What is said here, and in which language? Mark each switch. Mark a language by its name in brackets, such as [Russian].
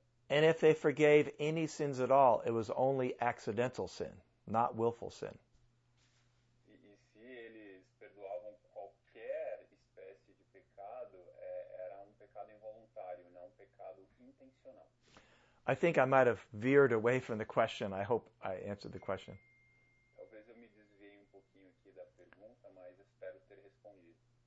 [English] And if they forgave any sins at all, it was only accidental sin, not willful sin. [Portuguese] E se eles perdoavam qualquer espécie de pecado, era um pecado involuntário, não um pecado intencional. [English] I think I might have veered away from the question. I hope I answered the question. [Portuguese] Talvez eu me desviei um pouquinho aqui da pergunta, mas espero ter respondido.